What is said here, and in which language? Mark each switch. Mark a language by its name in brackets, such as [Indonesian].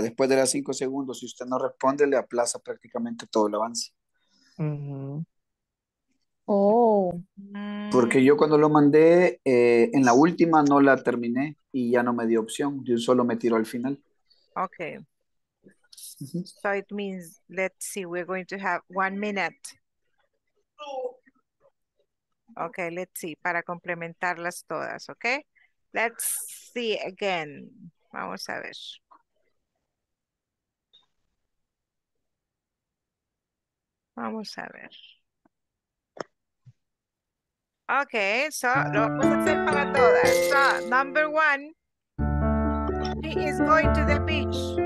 [Spanish] Después de las 5 segundos, si usted no responde, le aplaza prácticamente todo el avance. Oh. Porque yo cuando lo mandé, en la última no la terminé y ya no me dio opción. Yo solo me tiro al final. Ok. [English] So it means, let's see, we're going to have 1 minute. Ok, let's see, [Spanish] para complementarlas todas, [English] ok. Let's see again. [Spanish] Vamos a ver. Vamos a ver. Ok, so lo vamos a hacer para todas. [English] So, number one, he is going to the beach.